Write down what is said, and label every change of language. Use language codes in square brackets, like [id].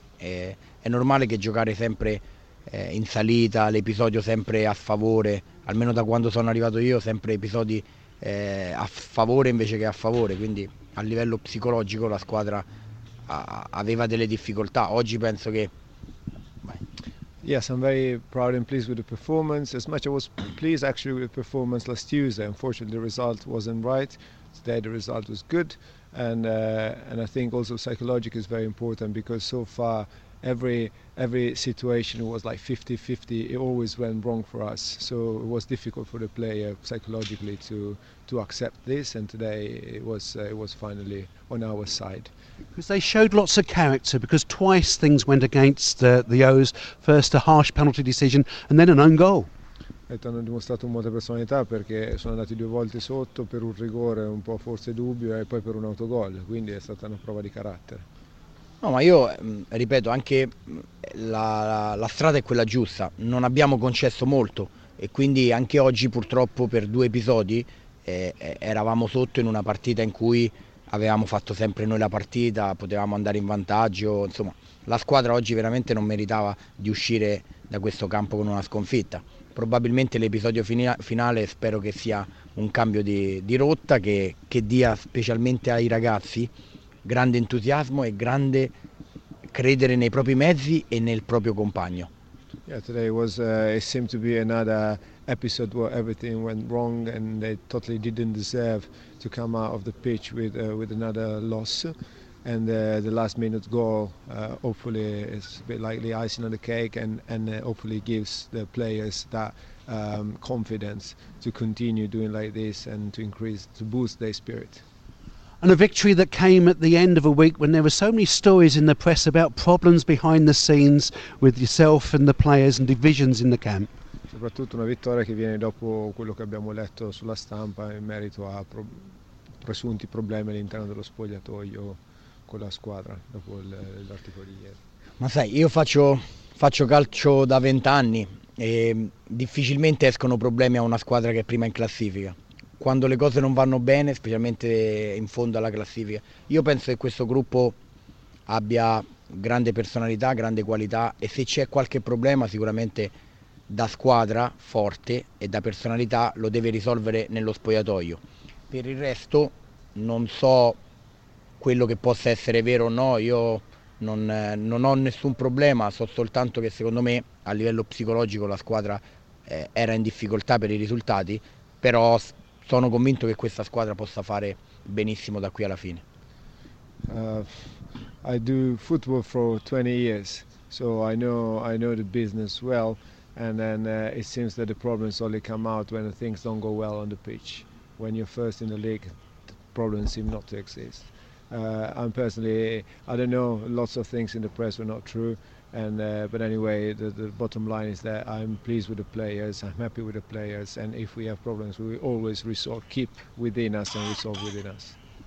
[it] È normale che giocare sempre in salita, l'episodio sempre a sfavore, almeno da quando sono arrivato io, sempre episodi a sfavore invece che a favore. Quindi a livello psicologico la squadra aveva delle difficoltà. Oggi penso che... [en] Yes, I'm very proud and pleased with the performance. As much as I was pleased actually with the performance last Tuesday, unfortunately the result wasn't right. Today the result was good, and I think also psychological is very important, because so far every situation was like 50-50. It always went wrong for us, so it was difficult for the player psychologically to accept this. And today it was finally on our side. Because they showed lots of character, because twice things went against the O's. First a harsh penalty decision, and then an own goal. [it] Hanno dimostrato molta personalità, perché sono andati due volte sotto per un rigore un po' forse dubbio e poi per un autogol, quindi è stata una prova di carattere. No, ma io ripeto, anche la strada è quella giusta, non abbiamo concesso molto, e quindi anche oggi purtroppo per due episodi eravamo sotto in una partita in cui avevamo fatto sempre noi la partita, potevamo andare in vantaggio. Insomma, la squadra oggi veramente non meritava di uscire da questo campo con una sconfitta. Probabilmente l'episodio finale spero che sia un cambio di rotta che dia specialmente ai ragazzi grande entusiasmo e grande credere nei propri mezzi e nel proprio compagno. [en] Yeah, today was it seemed to be another episode where everything went wrong and they totally didn't deserve to come out of the pitch with another loss. And the last minute goal hopefully is a bit like the icing on the cake, and hopefully gives the players that confidence to continue doing like this and to boost their spirit. And a victory that came at the end of a week when there were so many stories in the press about problems behind the scenes with yourself and the players and divisions in the camp. [it] Soprattutto una vittoria che viene dopo quello che abbiamo letto sulla stampa in merito a presunti problemi all'interno dello spogliatoio con la squadra dopo l'articolo di ieri. Ma sai, io faccio calcio da 20 anni e difficilmente escono problemi a una squadra che è prima in classifica. Quando le cose non vanno bene, specialmente in fondo alla classifica, io penso che questo gruppo abbia grande personalità, grande qualità, e se c'è qualche problema sicuramente da squadra forte e da personalità lo deve risolvere nello spogliatoio. Per il resto non so quello che possa essere vero o no, io non ho nessun problema, so soltanto che secondo me a livello psicologico la squadra era in difficoltà per i risultati, però sono convinto che questa squadra possa fare benissimo da qui alla fine. [en] I do football for 20 years, so I know the business well, and then it seems that the problems only come out when things don't go well on the pitch. When you're first in the league, the problems seem not to exist. I'm personally, I don't know, lots of things in the press were not true, and but anyway, the bottom line is that I'm pleased with the players, I'm happy with the players, and if we have problems, we will always keep within us and resolve within us.